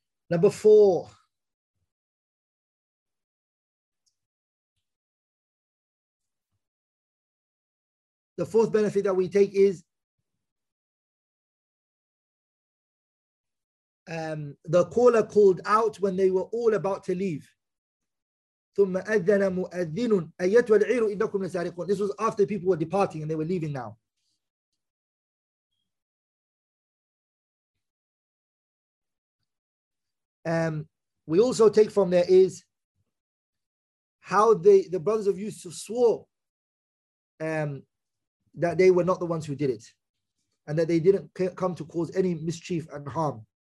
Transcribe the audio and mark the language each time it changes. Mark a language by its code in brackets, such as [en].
[en] Number four, the fourth benefit that we take is the caller called out when they were all about to leave. [ar] ثم أذن مؤذن أيتها العير إنكم لسارقون. [en] This was after people were departing and they were leaving now. We also take from there is how the brothers of Yusuf swore that they were not the ones who did it, and that they didn't come to cause any mischief and harm.